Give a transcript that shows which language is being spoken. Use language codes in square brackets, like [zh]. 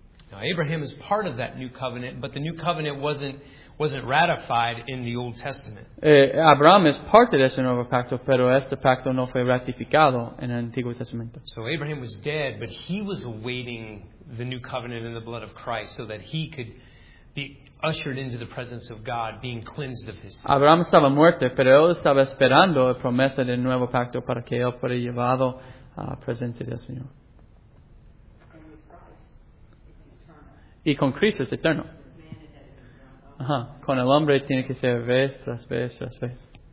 [en] Now Abraham is part of that new covenant, but the new covenant wasn't ratified in the Old Testament. [es] Abraham es parte de ese nuevo pacto, pero este pacto no fue ratificado en el Antiguo Testamento. [en] So Abraham was dead, but he was awaiting the new covenant in the blood of Christ, so that he could be ushered into the presence of God, being cleansed of his sin. [es] Abraham estaba muerto, pero él estaba esperando la promesa del nuevo pacto para que él fuera llevado a la presencia del Señor. Y con Cristo es eterno. Ajá. Con el hombre tiene que ser vez tras vez tras vez.